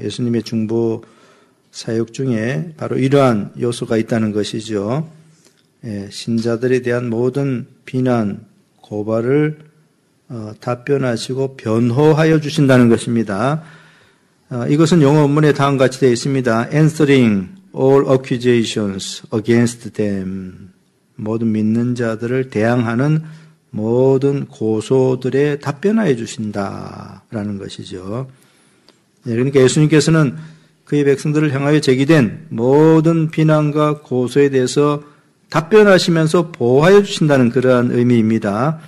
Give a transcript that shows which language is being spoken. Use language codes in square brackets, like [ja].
[ko] 예수님의 중보 사역 중에 바로 이러한 요소가 있다는 것이죠. 예, 신자들에 대한 모든 비난, 고발을 답변하시고 변호하여 주신다는 것입니다. 이것은 영어 원문에 다음과 같이 되어 있습니다. [en] Answering all accusations against them. [ko] 모든 믿는 자들을 대항하는 모든 고소들에 답변하여 주신다라는 것이죠. 예, 그러니까 예수님께서는 그의 백성들을 향하여 제기된 모든 비난과 고소에 대해서 답변하시면서 보호하여 주신다는 그러한 의미입니다.